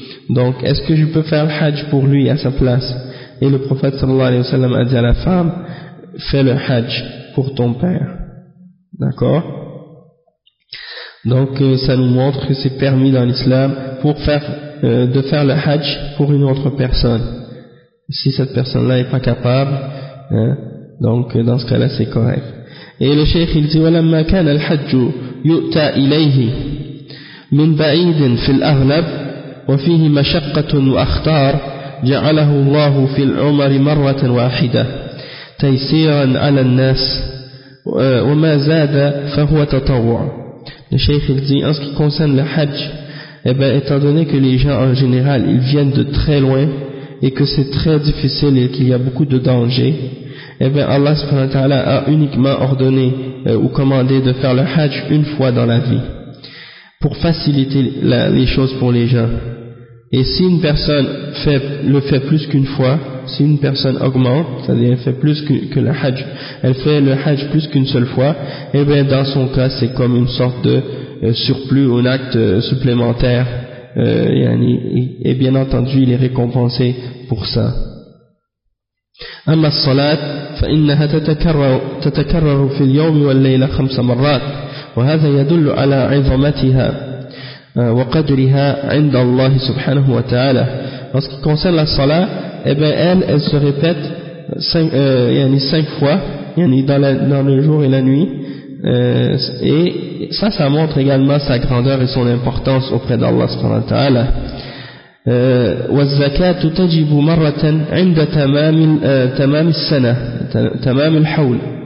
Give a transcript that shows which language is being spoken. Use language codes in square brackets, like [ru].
[fr] Donc est-ce que je peux faire le hajj pour lui à sa place? Et le prophète sallallahu alayhi wa sallam a dit à la femme: fais le hajj pour ton père. D'accord? Donc ça nous montre que c'est permis dans l'islam pour faire de faire le hajj pour une autre personne, si cette personne-là n'est pas capable, hein, donc dans ce cas-là c'est correct. Et le cheikh il dit: [ar] ولما كان الحج يؤتى إليه من بعيد في الأغلب وفيه مشقة وأخطار جعله الله في العمر مرة واحدة تيسيرا على الناس وما زاد فهو تطوع. [fr] Le cheikh il dit: en ce qui concerne le hajj, eh ben, étant donné que les gens en général ils viennent de très loin et que c'est très difficile et qu'il y a beaucoup de dangers, eh ben Allah subhanahu wa ta'ala a uniquement ordonné ou commandé de faire le hajj une fois dans la vie pour faciliter les choses pour les gens. Et si une personne le fait plus qu'une fois, si une personne augmente, c'est-à-dire elle fait plus que le hajj, elle fait le hajj plus qu'une seule fois, eh bien dans son cas c'est comme une sorte de surplus ou un acte supplémentaire, et bien entendu il est récompensé pour ça. [ar] أما الصلاة فإنها تتكرر في اليوم والليل خمس مرات وهذا يدل على عظمتها وقدرها عند الله سبحانه وتعالى. [fr] En ce qui concerne la salat, eh ben elle se répète cinq fois, dans le jour et la nuit, et ça montre également sa grandeur et son importance auprès d'Allah [ar] سبحانه وتعالى. والزكاة تجب مرة عند تمام السنة تمام الحول.